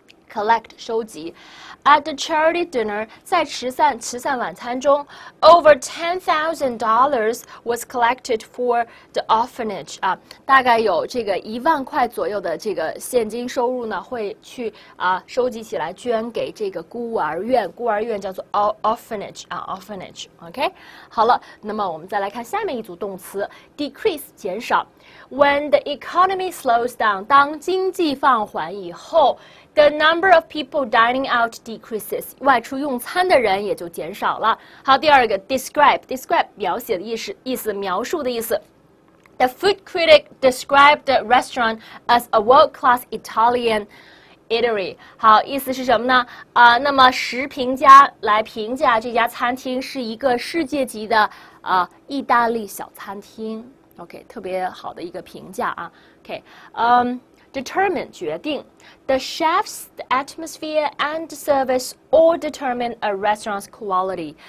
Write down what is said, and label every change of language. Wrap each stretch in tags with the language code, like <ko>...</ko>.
<zh>Collect 收集 ，</zh> <en>at the charity dinner</en> <zh>在慈善晚餐中 ，</zh> <en>over $10,000 was collected for the orphanage</en> <zh>啊，大概有这个10,000块左右的这个现金收入呢，会去啊收集起来捐给这个孤儿院叫做 orphanage OK， 好了，那么我们再来看下面一组动词 ，decrease 减少 ，</zh> <en>when the economy slows down</en> <zh>当经济放缓以后。</zh> <en>The number of people dining out decreases.</en> <zh>外出用餐的人也就减少了。好，第二个 describe 描写的意思，描述的意思。</zh> <en>The food critic described the restaurant as a world-class Italian</en> <zh>Eatery， 好，意思是什么呢？那么食评家来评价这家餐厅是一个世界级的意大利小餐厅。 OK， 特别好的一个评价啊。</zh> <en>OK， determine 决定 ，the chefs, the atmosphere and the service all determine a restaurant's quality。</en>